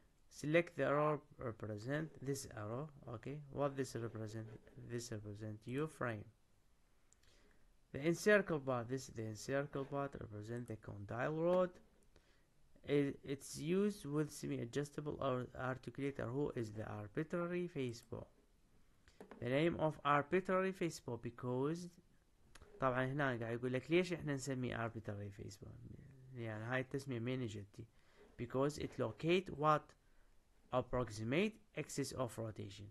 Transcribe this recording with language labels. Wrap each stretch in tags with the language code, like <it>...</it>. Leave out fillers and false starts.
<en>Select the arrow represent this arrow. Okay. What this represent? This represent your frame. The encircle part. This the encircle part represent the condyle rod. It's used with semi-adjustable articulator. Who is the arbitrary face ball? The name of arbitrary face ball because</en> <ar>طبعا هنا قاعد يقول لك ليش احنا نسميه arbitrary face ball؟ يعني هاي التسمية من جدي.</ar> <en>Because it locate what approximate axis of rotation.</en>